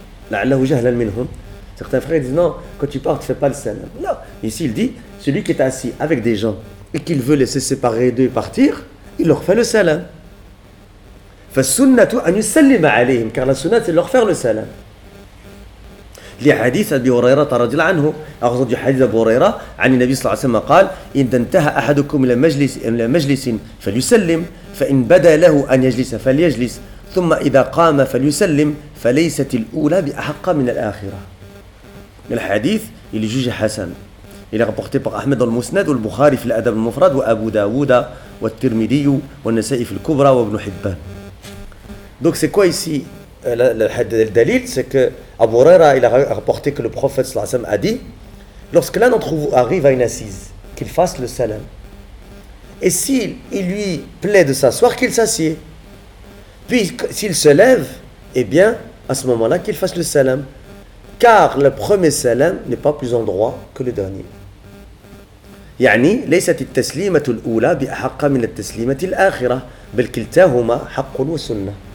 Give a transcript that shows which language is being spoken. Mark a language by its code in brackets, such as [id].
[fr] Certains frères disent non, quand tu pars, tu ne fais pas le salam. Non. Ici, il dit celui qui est assis avec des gens et qu'il veut laisser séparer d'eux et partir, il leur fait le salam. [ar] فالسنه ان يسلم عليهم كان السنه [fr] c'est leur faire le salam. [ar] لي حديث ابي هريره رضي الله عنه اخذ حديث ابي هريره عن النبي صلى الله عليه وسلم قال اذا انتهى احدكم الى مجلس فليسلم فان بدا له ان يجلس فليجلس ثم اذا قام فليسلم فليست الاولى باحق من الاخره. الحديث اللي جوج حسن اللي رابورتي بار احمد المسند والبخاري في الادب المفرد وابو داوود والترمذي والنسائي في الكبرى وابن حبان. [fr] Donc c'est quoi ici le hadith al-dalil? C'est que Abu Huraira il a rapporté que le prophète sallallahu alayhi wa sallam a dit lorsque l'un d'entre vous arrive à une assise, qu'il fasse le salam. Et s'il lui plaît de s'asseoir, qu'il s'assied. Puis s'il se lève, eh bien à ce moment-là qu'il fasse le salam. Car le premier salam n'est pas plus en droit que le dernier. [ar] يعني ليست التسليمة الأولى بأحق من التسليمة الآخرة بل كلتاهما حق وسنة.